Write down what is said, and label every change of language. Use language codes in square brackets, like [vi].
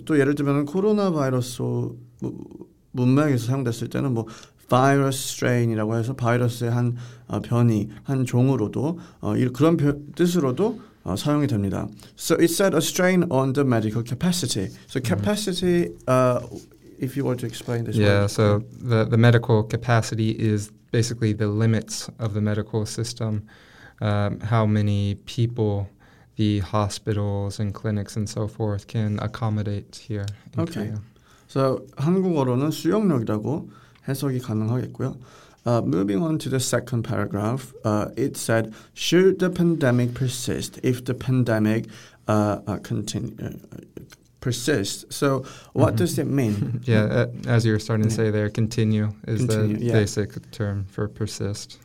[ko] 또 예를 들면 코로나 바이러스 문맥에서 사용됐을 때는 뭐 [en] virus strain [ko] 이라고 해서 바이러스의 한 변이, 한 종으로도 그런 뜻으로도 사용이 됩니다. [en] So it said a strain on the medical capacity. So capacity, if you want to explain this. Yeah, so the medical capacity is basically the limits of the medical system. How many people the hospitals and clinics and so forth can accommodate here in okay. Korea. [ko] So 한국어로는 수용력이라고 해석이 가능하겠고요. [en] Moving on to the second paragraph, it said, should the pandemic persist if the pandemic persists? So what does it mean? Yeah, as you were starting to say there, continue is the basic term for persist.